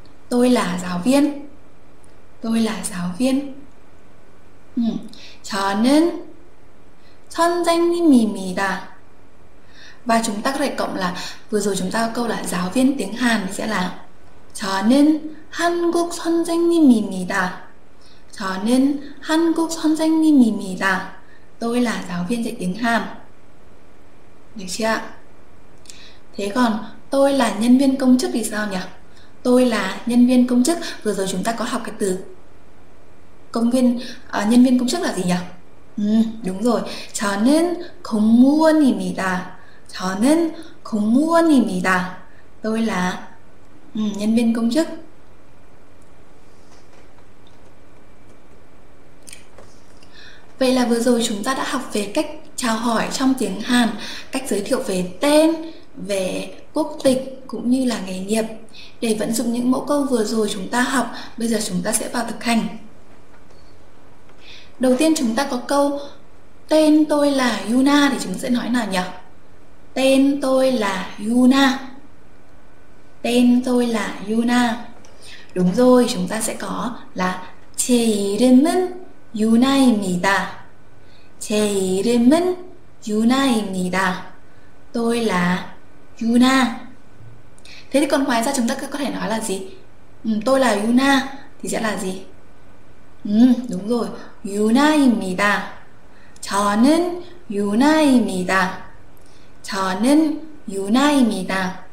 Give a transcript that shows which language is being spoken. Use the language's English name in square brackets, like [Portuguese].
[Vietnamese] Tôi là giáo viên. Tôi là giáo viên. [Korean] 저는 선생님입니다. [Vietnamese] Và chúng ta có thể cộng là vừa rồi chúng ta có câu là giáo viên tiếng Hàn thì sẽ là [Korean] 저는 한국 선생님입니다. 저는 한국 선생님입니다. [Vietnamese] Tôi là giáo viên dạy tiếng Hàn. Được chưa? Thế còn tôi là nhân viên công chức thì sao nhỉ? Tôi là nhân viên công chức. Vừa rồi chúng ta có học cái từ công viên, nhân viên công chức là gì nhỉ? Đúng rồi, [Korean] 저는 공무원입니다. 저는 공무원입니다. [Vietnamese] Tôi là nhân viên công chức. Vậy là vừa rồi chúng ta đã học về cách chào hỏi trong tiếng Hàn, cách giới thiệu về tên, về quốc tịch cũng như là nghề nghiệp. Để vận dụng những mẫu câu vừa rồi chúng ta học, bây giờ chúng ta sẽ vào thực hành. Đầu tiên chúng ta có câu tên tôi là Yuna thì chúng sẽ nói nào nhỉ? Tên tôi là Yuna. Tên tôi là Yuna. Đúng rồi, chúng ta sẽ có là [Korean] 제 이름은 Yuna입니다. 제 이름은 Yuna입니다. [Vietnamese] Tôi là Yuna. Thế thì còn ngoài ra chúng ta có thể nói là gì? Tôi là Yuna thì sẽ là gì? Đúng rồi, Yuna입니다. [Korean] 저는 Yuna입니다. 저는 Yuna입니다.